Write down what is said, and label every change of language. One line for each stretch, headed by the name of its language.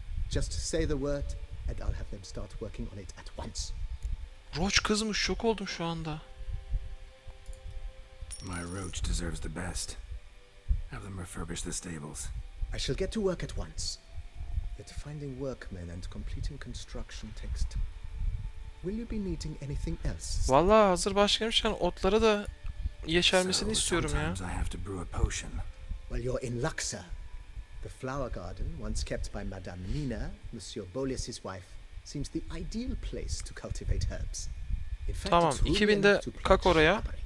English: Just say the word and I'll have them start working on it at once.
Turkish: Roach kızmış, şok oldum şu anda.
English: My Roach deserves the best. Have them refurbish the stables. I shall get to work at once. Yet finding workmen and completing construction takes time. Will you be needing anything else?
Turkish: Vallahi hazır başlamışken otlara da yeşermesini so, istiyorum ya.
English: I have to brew a potion. Well, you're in luck, sir. The flower garden, once kept by Madame Nina, Monsieur Bolius's wife, seems the ideal place to cultivate herbs. In fact,
Turkish: tamam, 2000'de kalk oraya.